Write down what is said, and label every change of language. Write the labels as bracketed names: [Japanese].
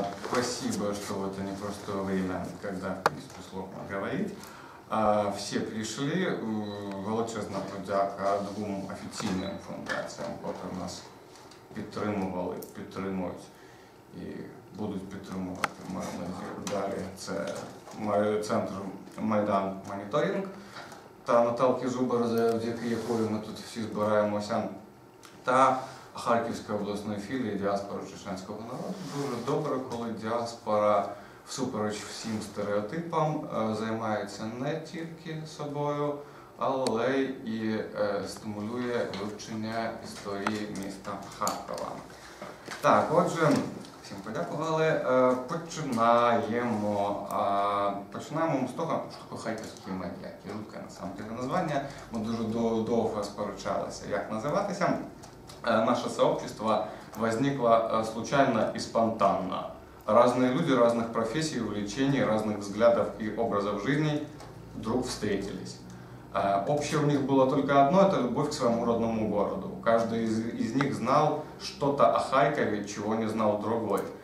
[Russian] спасибо, что вот это непростое время, когда, в принципе, сложно говорить. Все пришли, [Ukrainian] величезна подяка двум офіційним фундаціям, [Russian] которые нас [Ukrainian] підтримували, підтримують і будуть підтримувати. Ми далі це центр Майдан Моніторинг та Наталки Зубар, завдяки якої ми тут всі збираємося, та Харківської обласної філії діаспори чеченського народу. Дуже добре, коли діаспора всупереч всім стереотипам займається не тільки собою, але й стимулює вивчення історії міста Харкова. Так, отже, всім подякували. Починаємо. Починаємо з того, що таке харківські медіа, кірутка, насамперед названня. Ми дуже довго сперечалися, як називатися. [Russian] Наше сообщество возникло случайно и спонтанно. Разные люди разных профессий, увлечений, разных взглядов и образов жизни вдруг встретились. Общее у них было только одно – это любовь к своему родному городу. Каждый из них знал что-то о Харькове, чего не знал другой.